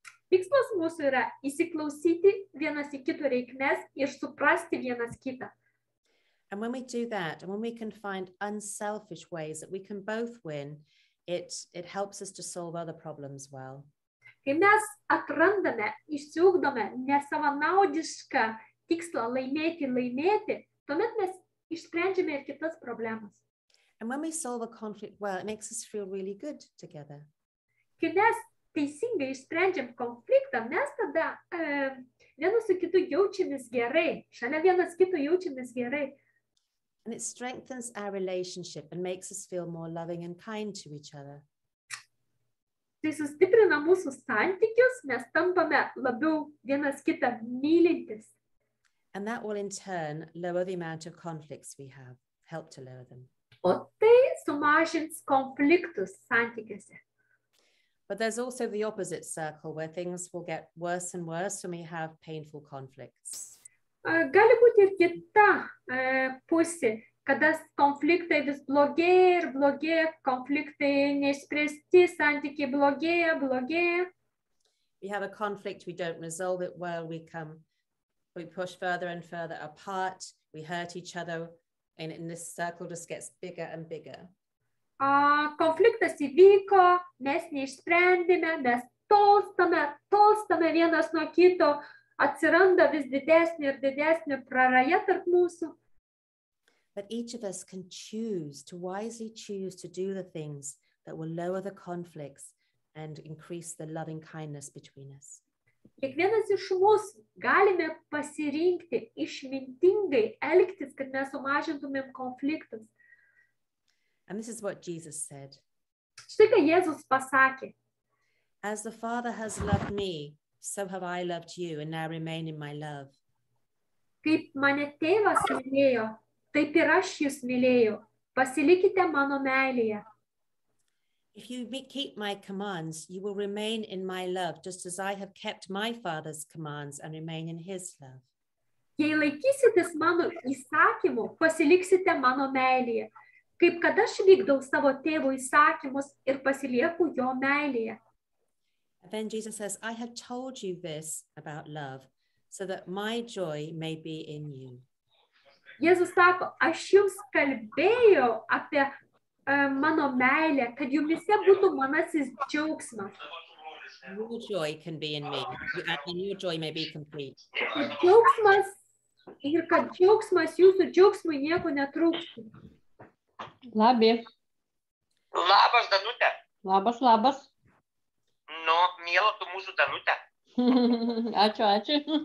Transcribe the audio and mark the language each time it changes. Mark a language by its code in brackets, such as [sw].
[lt] Tikslas mūsų yra įsiklausyti vienas į kito reikmes ir suprasti vienas kitą. [en] And when we do that, and when we can find unselfish ways that we can both win, it helps us to solve other problems well. [lt] Kai mes atrandame, išsiugdome nesavanaudišką tikslą laimėti, tuomet mes išsprendžiame ir kitas problemas. [en] And when we solve a conflict well, it makes us feel really good together. [lt] Kai mes teisingai išsprendžiam konfliktą, mes tada vienas su kitu jaučiamės gerai, šalia vienas kito jaučiamės gerai. [en] And it strengthens our relationship and makes us feel more loving and kind to each other. [lt] Tai sustiprina mūsų santykius, mes tampame labiau vienas kitą mylintis. [en] And that will in turn lower the amount of conflicts we have, help to lower them. [lt] O tai sumažins konfliktus santykiuose. [en] But there's also the opposite circle where things will get worse and worse when we have painful conflicts. [lt] Gali būti ir kita pusė, kada konfliktai vis blogėja ir blogėja, konfliktai neišspręsti, santykiai blogėja. [en] We have a conflict, we don't resolve it well, we push further and further apart, we hurt each other, and in this circle just gets bigger and bigger. [lt] Konfliktas įvyko, mes neišsprendėme, mes tolstame vienas nuo kito, atsiranda vis didesnė ir didesnė praraja tarp mūsų. [en] But each of us can choose to wisely choose to do the things that will lower the conflicts and increase the loving kindness between us. [lt] Kiekvienas iš mūsų galime pasirinkti išmintingai elgtis, kad mes sumažintumėm konfliktus. [en] And this is what Jesus said. [lt] Štai ką Jėzus pasakė. [en] As the Father has loved me, so have I loved you, and now remain in my love. [lt] Kaip mane tėvas mylėjo, taip ir aš jūs mylėjau. Pasilikite mano meilėje. [en] If you keep my commands, you will remain in my love, just as I have kept my father's commands and remain in his love. [lt] Jei laikysitės mano įsakymų, pasiliksite mano meilėje. Kaip kad aš vykdau savo tėvų įsakymus ir pasilieku jo meilėje. [en] Then Jesus says, I have told you this about love, so that my joy may be in you. [lt] Jėzus sako, aš jums kalbėjau apie mano meilę, kad jumise būtų manasis džiaugsmas. [en] Your joy can be in me, and your joy may be complete. [lt] Kad džiaugsmas, ir kad džiaugsmas jūsų džiaugsmui nieko netrūkštų. Labi. Labas, Danutė. Labas. Nu, mielo tu mūsų danutę. Ačiū, ačiū.